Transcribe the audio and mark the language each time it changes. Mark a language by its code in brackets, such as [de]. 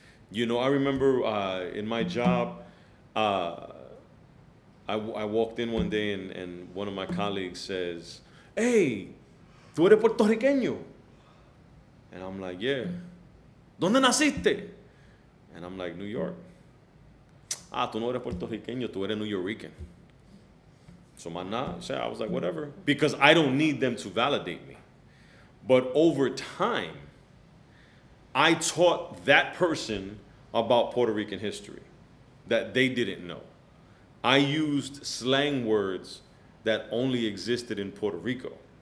[en] You know, I remember in my job, I walked in one day, and one of my colleagues says, "Hey, [es] tú eres puertorriqueño," [en] and I'm like, "Yeah." [es] ¿Dónde naciste? [en] And I'm like, New York. [es] Ah, tú no eres puertorriqueño, tú eres New Yorican. [en] So my nah, so I was like, whatever. Because I don't need them to validate me. But over time, I taught that person about Puerto Rican history that they didn't know. I used slang words that only existed in Puerto Rico.